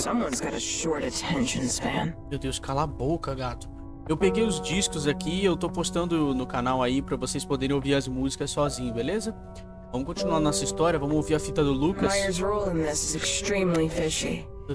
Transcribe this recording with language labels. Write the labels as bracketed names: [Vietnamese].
[English] Someone's got a short attention span. [Portuguese] Meu Deus, cala a boca, gato. Eu peguei os discos aqui e eu tô postando no canal aí pra vocês poderem ouvir as músicas sozinho, beleza? Vamos continuar nossa história, vamos ouvir a fita do Lucas. [English] Myers' role in this is extremely fishy.